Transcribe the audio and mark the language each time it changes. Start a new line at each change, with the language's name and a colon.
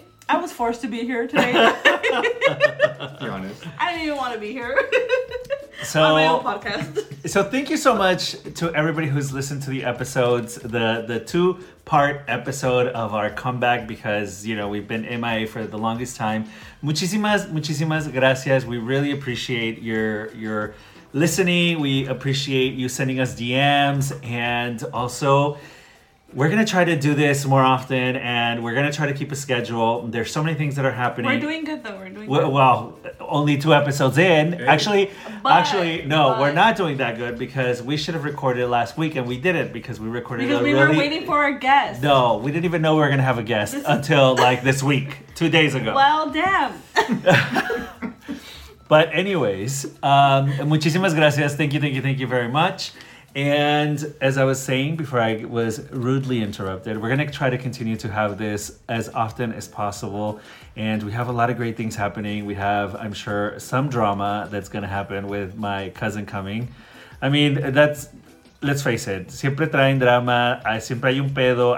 English: I was forced to be here today. You're honest. I didn't even want to be here. So, on my own podcast. So thank you so much to everybody who's listened to the episodes, the two-part episode of our comeback because, you know, we've been MIA for the longest time.
Spanish: Muchísimas, muchísimas gracias.
English: We really appreciate your listening. We appreciate you sending us DMs, and also we're gonna try to do this more often, and we're gonna try to keep a schedule. There's so many things that are happening. We're doing good, though. We're doing good. Well, only two episodes in. Actually, we're not doing that good because we should have recorded last week, and we didn't because we recorded. Because we were waiting for our guest. No, we didn't even know we were gonna have a guest until like this week, 2 days ago. Well, damn. But anyways, muchísimas gracias. Thank you very much. And as I was saying before I was rudely interrupted, we're going to try to continue to have this as often as possible. And we have a lot of great things happening. We have, I'm sure, some drama that's going to happen with my cousin coming. I mean, let's face it.
Spanish: Siempre traen drama. Siempre hay un pedo.